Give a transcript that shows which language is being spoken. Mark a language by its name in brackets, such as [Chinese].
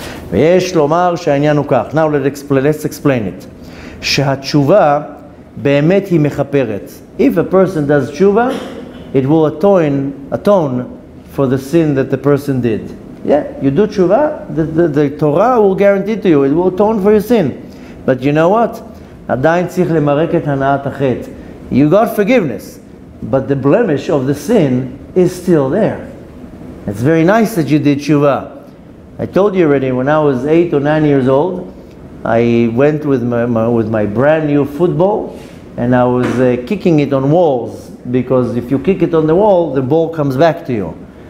[Hebrew] ויש לומר שהעניין הוא כך. [English] Now let's explain it. [Hebrew] שהתשובה באמת היא מכפרת. [English] If a person does תשובה, it will atone for the sin that the person did. Yeah, you do תשובה, the Torah will guarantee to you, it will atone for your sin. But you know what? [Hebrew] עדיין צריך למרק את הנאת החטא. [English] You got forgiveness. but the blemish of the sin is still there. It's very nice that you did tshuva. I told you already, when I was 8 or 9 years old, I went with my brand new football, and I was kicking it on walls, because if you kick it on the wall, the ball comes back to you.